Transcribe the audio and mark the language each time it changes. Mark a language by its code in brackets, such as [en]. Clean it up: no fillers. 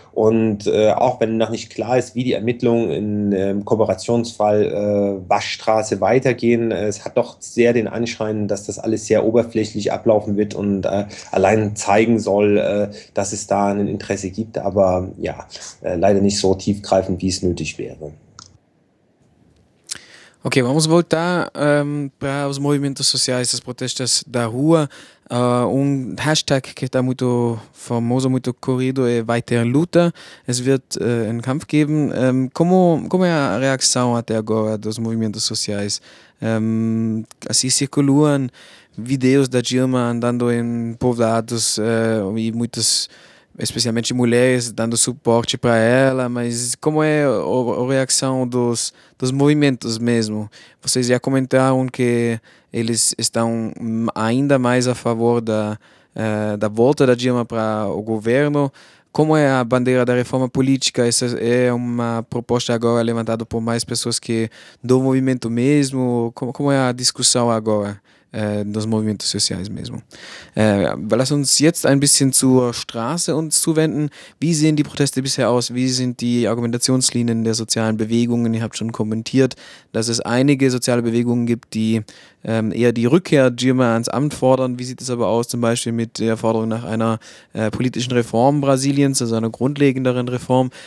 [de] Und auch wenn noch nicht klar ist, wie die Ermittlungen im Kooperationsfall Waschstraße weitergehen, es hat doch sehr den Anschein, dass das alles sehr oberflächlich ablaufen wird und allein zeigen soll, dass es da ein Interesse gibt, aber ja, leider nicht so tiefgreifend, wie es nötig wäre. [pt] Ok, vamos voltar para os movimentos sociais, as protestas da rua. Hashtag que está muito famoso, muito corrido, é Weiter Luta. [de] Es wird einen Kampf geben. [pt] Como é a reação até agora dos movimentos sociais? Assim circulam vídeos da Dilma andando em povoados e muitas, especialmente mulheres, dando suporte para ela, mas como é a reação dos movimentos mesmo? Vocês já comentaram que eles estão ainda mais a favor da volta da Dilma para o governo. Como é a bandeira da reforma política? Essa é uma proposta agora levantada por mais pessoas que do movimento mesmo? Como é a discussão agora? Dos movimentos sociais mesmo. [de] Lass uns jetzt ein bisschen zur Straße uns zuwenden. Wie sehen die Proteste bisher aus? Wie sind die Argumentationslinien der sozialen Bewegungen? Ihr habt schon kommentiert, dass es einige soziale Bewegungen gibt, die eher die Rückkehr Dilma ans Amt fordern. Wie sieht es aber aus zum Beispiel mit der Forderung nach einer politischen Reform Brasiliens, also einer grundlegenderen Reform?